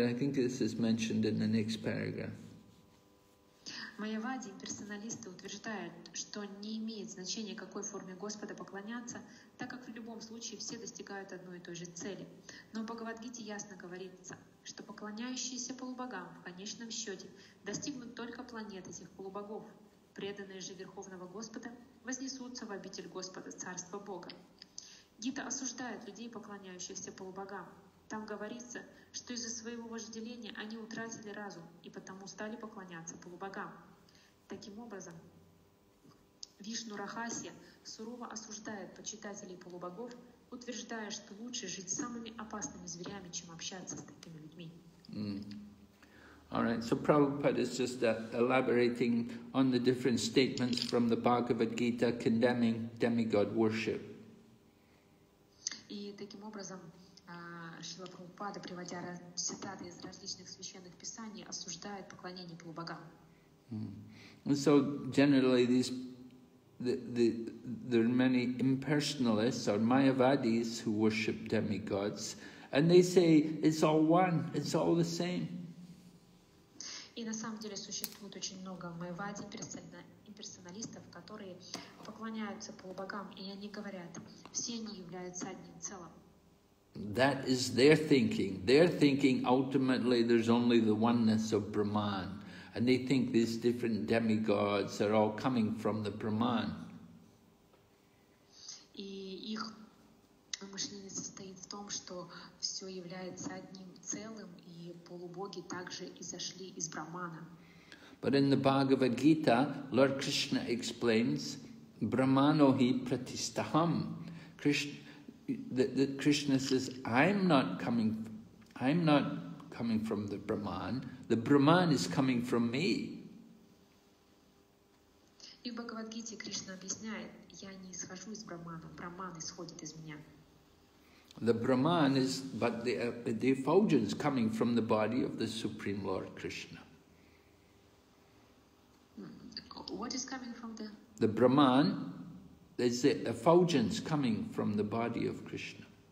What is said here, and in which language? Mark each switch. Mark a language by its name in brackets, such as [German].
[English] I think this is mentioned in the next paragraph. [Russian] Майявади персоналисты утверждают, что не имеет значения, какой форме Господа поклоняться, так как в любом случае все достигают одной и той же цели. Но в Бхагавад-гите ясно говорится, что поклоняющиеся полубогам в конечном счете достигнут только планет этих полубогов. Преданные же Верховного Господа вознесутся в обитель Господа, Царство Бога. Гита осуждает людей, поклоняющихся полубогам. Там говорится, что из-за своего вожделения они утратили разум и потому стали поклоняться полубогам. Таким образом, Вишну Рахасья сурово осуждает почитателей полубогов, утверждая, что лучше жить с самыми опасными зверями, чем общаться с такими людьми. Mm. [English] All right, so Prabhupada is just elaborating on the different statements from the Bhagavad Gita condemning demigod worship. [Russian] И таким образом Шрила Прабхупада, приводя цитаты из различных священных писаний, осуждает поклонение полубогам. [English] And so generally these there are many impersonalists or Mayavadis who worship demigods, and they say it's all one, it's all the same. [Russian] И на самом деле существует очень много Майявади имперсоналистов, которые поклоняются полубогам, и они говорят, все они являются одним целым. [English] That is their thinking. Their thinking ultimately there's only the oneness of Brahman. And they think these different demigods are all coming from the Brahman. [Russian] и их мышление состоит в том, что все является одним целым, и полубоги также изошли из Брахмана. [English] But in the Bhagavad Gita, Lord Krishna explains [Sanskrit] Brahmanohi Pratistaham. [English] Krishna says, I'm not coming from the Brahman. The Brahman is coming from me. [Russian] И в Бхагавад Гите Кришна объясняет, я не исхожу из Брахмана, Брахман исходит из меня. [English] The Brahman is, but the effulgence coming from the body of the Supreme Lord Krishna. What is coming from the? The Brahman, there's the effulgence coming from the body of Krishna.